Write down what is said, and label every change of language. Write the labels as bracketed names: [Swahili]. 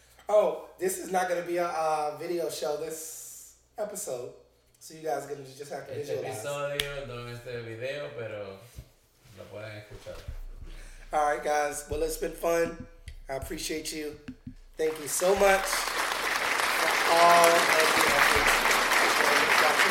[English] Oh, this is not going to be a video show this episode. So you guys are going to just have to visualize. [Spanish] Este episodio no es de video, pero lo pueden escuchar. [English] All right, guys. Well, it's been fun. I appreciate you. Thank you so much for all of your efforts.